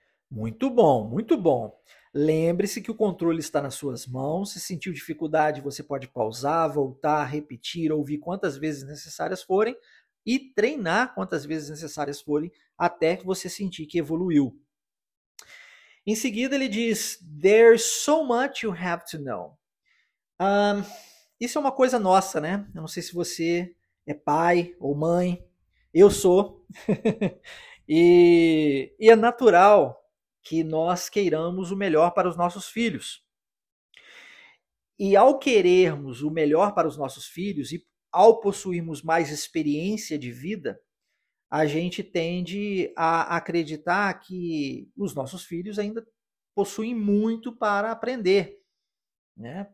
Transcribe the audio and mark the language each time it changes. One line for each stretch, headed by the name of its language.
Portuguese: Muito bom, muito bom. Lembre-se que o controle está nas suas mãos. Se sentiu dificuldade, você pode pausar, voltar, repetir, ouvir quantas vezes necessárias forem e treinar quantas vezes necessárias forem até você sentir que evoluiu. Em seguida, ele diz:
English: There's so much you have to know.
Portuguese: Isso é uma coisa nossa, né? Eu não sei se você é pai ou mãe. Eu sou. E é natural que nós queiramos o melhor para os nossos filhos. E ao querermos o melhor para os nossos filhos e ao possuirmos mais experiência de vida, a gente tende a acreditar que os nossos filhos ainda possuem muito para aprender, né?